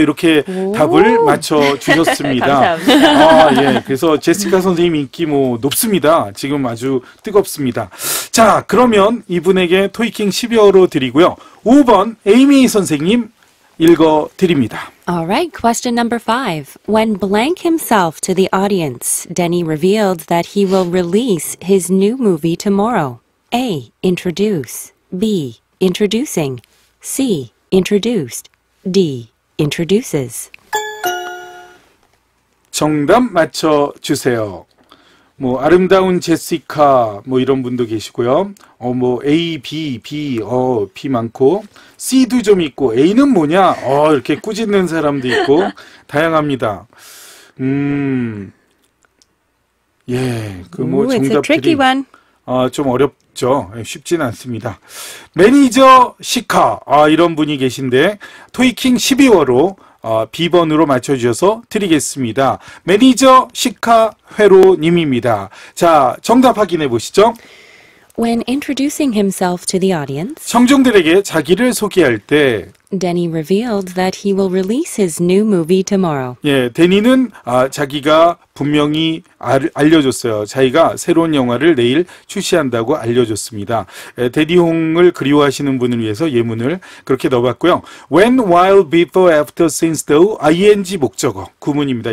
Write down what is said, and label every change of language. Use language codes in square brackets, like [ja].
[ko] 이렇게 답을 맞춰 주셨습니다. 감사합니다. 그래서 제시카 선생님 인기 높습니다. 지금 아주 뜨겁습니다. 자, 그러면 이분에게 토익킹 12호로 드리고요. 5번 에이미 선생님 읽어 드립니다. [en] All right, question number 5. When blank himself to the audience, Denny revealed that he will release his new movie tomorrow. A. introduce. B. introducing. C. introduced. D. introduces. [ko] 정답 맞춰 주세요. 아름다운 제시카 이런 분도 계시고요. A, B, B, B 많고 C도 좀 있고 A는 뭐냐? 이렇게 꾸짖는 사람도 있고 다양합니다. 정답들이 [en] it's a tricky one. [ko] 좀 어렵죠. 쉽진 않습니다. 매니저 시카 이런 분이 계신데 토익킹 12호로 B번으로 맞춰주셔서 드리겠습니다. 매니저 시카 회로님입니다. 자, 정답 확인해 보시죠. [en] When introducing himself to the audience, [ko] 청중들에게 자기를 소개할 때 [en] Denny revealed that he will release his new movie tomorrow. [ko] 예, 데니는 자기가 분명히 알려줬어요. 자기가 새로운 영화를 내일 출시한다고 알려줬습니다. 데디 홍을 그리워하시는 분을 위해서 예문을 그렇게 넣어봤고요. [en] When, while, before, after, since, though, [ko] ing 목적어 구문입니다.